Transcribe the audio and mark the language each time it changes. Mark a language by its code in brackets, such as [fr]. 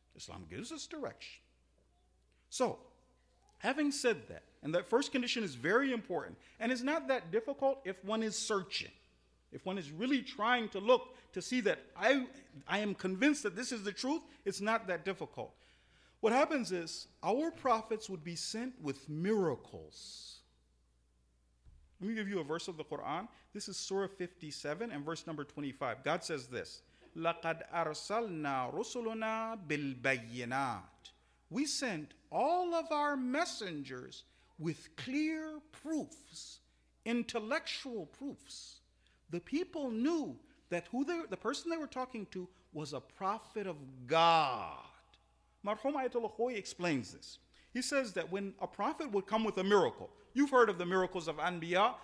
[en] Islam gives us direction. So, having said that, and that first condition is very important, and it's not that difficult if one is searching, if one is really trying to look to see that I am convinced that this is the truth, it's not that difficult. What happens is our prophets would be sent with miracles. Let me give you a verse of the Quran. This is Surah 57 and verse number 25. God says this, [ar] لَقَدْ أَرْسَلْنَا رُسُلُنَا بِالْبَيِّنَاتِ. [en] We sent all of our messengers with clear proofs, intellectual proofs. The people knew that the person they were talking to was a prophet of God. Marhum Ayatollah Khoi explains this. He says that when a prophet would come with a miracle, you've heard of the miracles of Anbiya.